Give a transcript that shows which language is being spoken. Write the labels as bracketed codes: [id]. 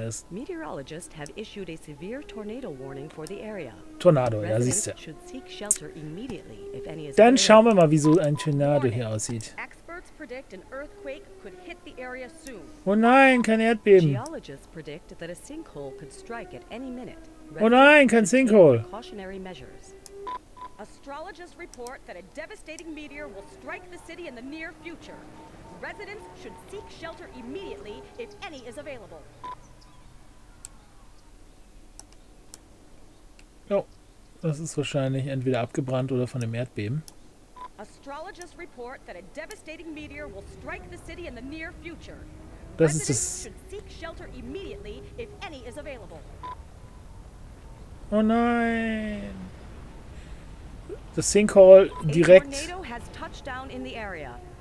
[en] Meteorologists have issued a severe tornado warning for the area. Tornado, [de] ja, siehst du. [en] Should seek shelter immediately if any is. [de] Dann schauen wir mal, wie so ein Tornado hier aussieht. [en] Experts predict an earthquake could hit the area soon. [de] Oh nein, kein Erdbeben. [en] Geologists predict that a sinkhole could strike at any minute. [de] Oh nein, kein Sinkhole. [en] Cautionary measures. Astrologists report that a devastating meteor will strike the city in the near future. Residents should seek shelter immediately if any is available. [de] Oh, das ist wahrscheinlich entweder abgebrannt oder von dem Erdbeben. [en] Astrologists report that a devastating meteor will strike the city in the near future. [de] Das ist es. [en] Should seek shelter immediately if any is available. [de] Oh nein. [en] The sinkhole direkt. A tornado has touched down in the area.